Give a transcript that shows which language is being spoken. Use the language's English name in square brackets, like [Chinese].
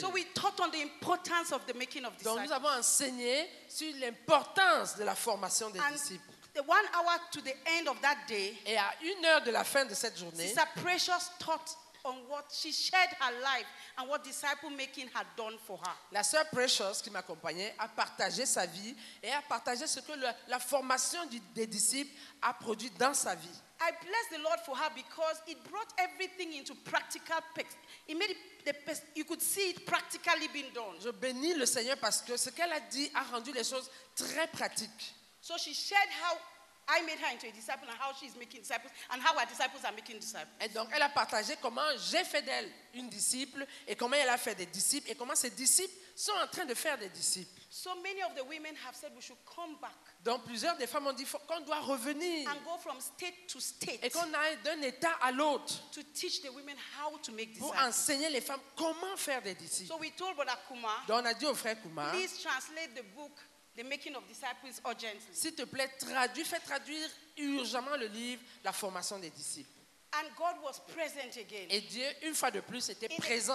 [English] So we taught on the importance of the making of disciples. [French] Donc nous avons enseigné sur l'importance de la formation des disciples. [English] The 1 hour to the end of that day, [French] et à une heure de la fin de cette journée, [English] Sister Precious taught on what she shared her life and what disciple making had done for her. [French] La sœur Precious qui m'accompagnait a partagé sa vie et a partagé ce que la formation des disciples a produit dans sa vie. [English] I bless the Lord for her because it brought everything into practical. It made you could see it practically being done. [French] Je bénis le Seigneur parce que ce qu'elle a dit a rendu les choses très pratiques. [English] So she shared how I made her into a disciple and how she is making disciples and how our disciples are making disciples. [French] Et donc elle a partagé comment j'ai fait d'elle une disciple et comment elle a fait des disciples et comment ses disciples sont en train de faire des disciples. [English] So many of the women have said we should come back. [French] Donc plusieurs des femmes ont dit qu'on doit revenir. [English] And go from state to state. [French] Et qu'on aille d'un état à l'autre. [English] To teach the women how to make disciples. [French] Pour enseigner les femmes comment faire des disciples. [English] So we told Brother Kuma. [French] Donc on a dit au frère Kuma. [English] Please translate the book The Making of Disciples Urgently. [French] S'il te plaît, fais traduire urgentement le livre La Formation des Disciples. [English] And God was present again. [French] Et Dieu, une fois de plus, était présent.